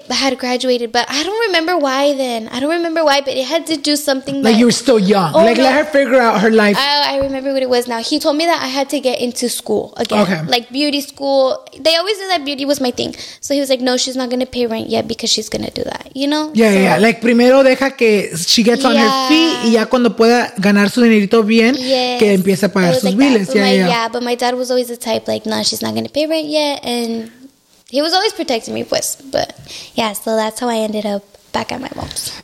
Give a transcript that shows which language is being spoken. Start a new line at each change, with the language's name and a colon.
English: I had graduated, but I don't remember why then. I don't remember why, but it had to do something. Like you were still young. Oh, like, no. Let her figure out her life. I remember what it was now. He told me that I had to get into school again. Okay. Like beauty school. They always knew that beauty was my thing. So he was like, no, she's not going to pay rent yet because she's going to do that. You know? Yeah, so, yeah.
Spanish: Like, primero deja que
English: she gets on her feet
Spanish: y ya cuando pueda ganar su dinerito bien, que empiece a pagar sus biles.
English: Yeah, but my dad was always the type like, no, she's not going to pay rent yet. And he was always protecting me, pues. But, yeah, so that's how I ended up back at my mom's.